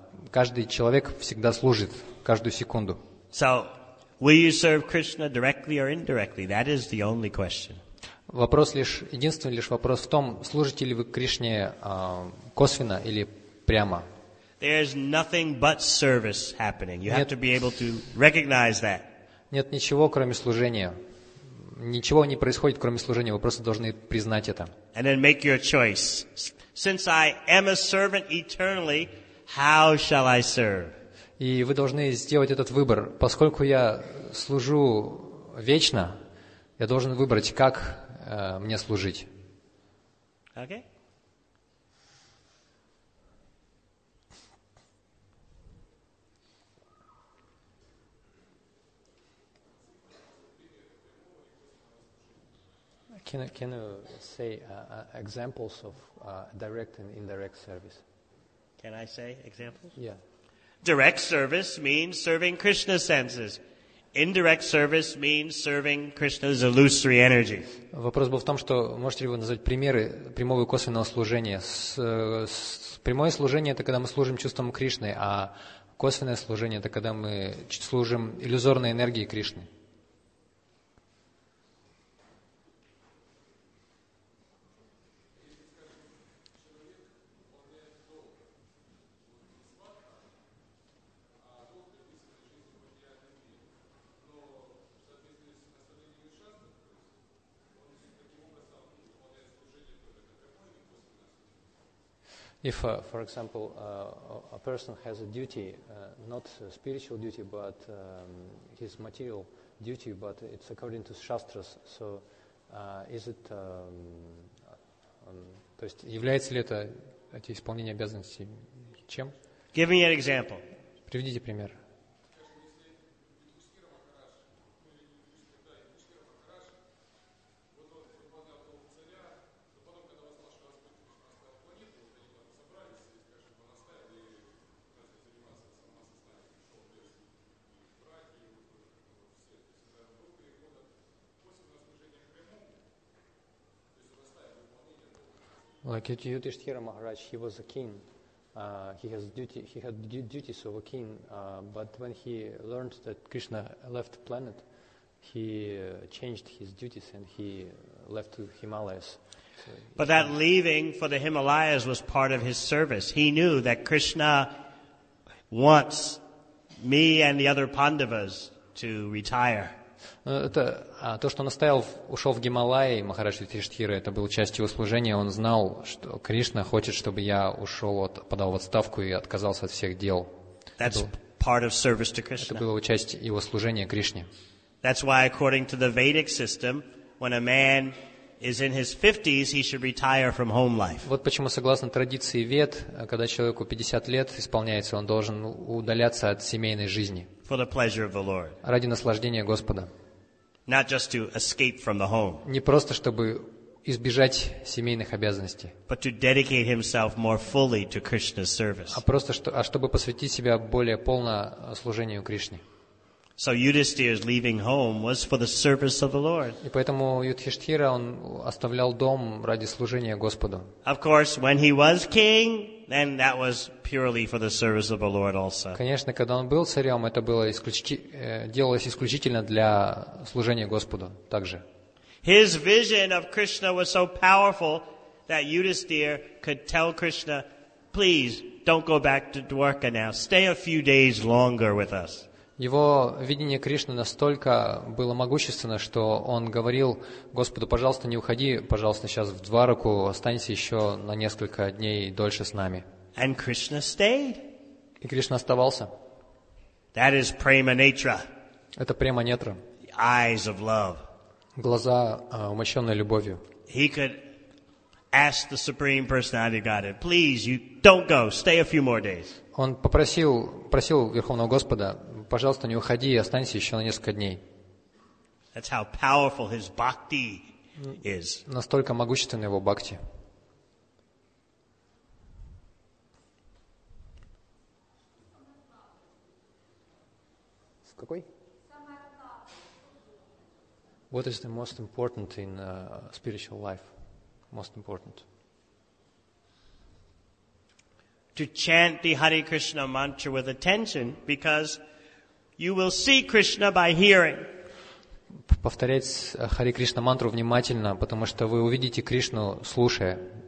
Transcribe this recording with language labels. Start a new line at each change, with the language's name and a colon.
Russian: Каждый человек всегда служит каждую секунду.
English: So, will you serve Krishna directly or indirectly? That is the only question.
Russian: Вопрос лишь единственный лишь вопрос в том, служите ли вы Кришне косвенно или прямо.
English: There is nothing but service happening. You have to be able to recognize that.
Russian: Нет ничего, кроме служения. Ничего не происходит, кроме служения. Вы просто должны признать это.
English: And then make your choice. Since I am a servant eternally, how shall I serve?
Russian: И вы должны сделать этот выбор. Поскольку я служу вечно, я должен выбрать, как мне служить.
English: Okay. Can you say examples of direct and indirect service? Can I say examples? Yeah. Direct service means serving Krishna's senses. Indirect service means serving Krishna's illusory energy.
Russian: Вопрос был в том, что можете ли вы назвать примеры прямого и косвенного служения. Прямое служение – это когда мы служим чувствам Кришны, а косвенное служение – это когда мы служим иллюзорной энергии Кришны.
English: If, for example, a person has a duty, not a spiritual duty, but his material duty, but it's according to shastras, so is it...
Russian: То есть является ли это эти исполнения обязанностей чем?
English: Give me an example.
Russian: Приведите пример.
English: Like Yudhishthira Maharaj, he was a king. He had duties of a king. But when he learned that Krishna left planet, he changed his duties and he left to Himalayas. But that leaving for the Himalayas was part of his service. He knew that Krishna wants me and the other Pandavas to retire.
Russian: Это то, что он оставил, ушел в Гималаи, Махарадж Юдхиштхира, это был часть его служения. Он знал, что Кришна хочет, чтобы я ушел, подал в отставку и отказался от всех дел.
English: That's part of service to Krishna.
Russian: Это было часть его служения Кришне.
English: That's why, according to the Vedic system, when a man is in his 50s, he should retire from home life.
Russian: Вот почему, согласно традиции Вед, когда человеку 50 лет исполняется, он должен удаляться от семейной жизни.
English: For the pleasure of the Lord.
Russian: Ради наслаждения Господа.
English: Not just to escape from the home.
Russian: Не просто чтобы избежать семейных обязанностей.
English: But to dedicate himself more fully to Krishna's service.
Russian: А чтобы посвятить себя более полно служению Кришне.
English: So Yudhishthira's leaving home was for the service of the Lord.
Russian: И поэтому Юдхиштхира он оставлял дом ради служения Господу.
English: Of course, when he was king, then that was purely for the service of the Lord also.
Russian: Конечно, когда он был царем, это было делалось исключительно для служения Господу также.
English: His vision of Krishna was so powerful that Yudhishthira could tell Krishna, "Please, don't go back to Dwarka now. Stay a few days longer with us."
Russian: Его видение Кришны настолько было могущественно, что он говорил Господу: "Пожалуйста, не уходи, пожалуйста, сейчас в Двараку, останься еще на несколько дней дольше с нами."
English: And Krishna stayed.
Russian: И Кришна оставался.
English: That is prema-netra.
Russian: Это према-нетра.
English: Eyes of love.
Russian: Глаза, умощенные любовью.
English: He could ask the Supreme Personality of Godhead, "Please, you don't go. Stay a few more days."
Russian: Он попросил, просил Верховного Господа: "Пожалуйста, не уходи, останься еще на несколько дней."
English: That's how powerful his bhakti is.
Russian: Настолько могущественна его бхакти. С какой?
English: What is the most important in spiritual life? Most important. To chant the Hare Krishna mantra with attention, because you will see Krishna by hearing.
Russian: Повторять Hare Krishna мантру внимательно, потому что вы увидите Кришну, слушая.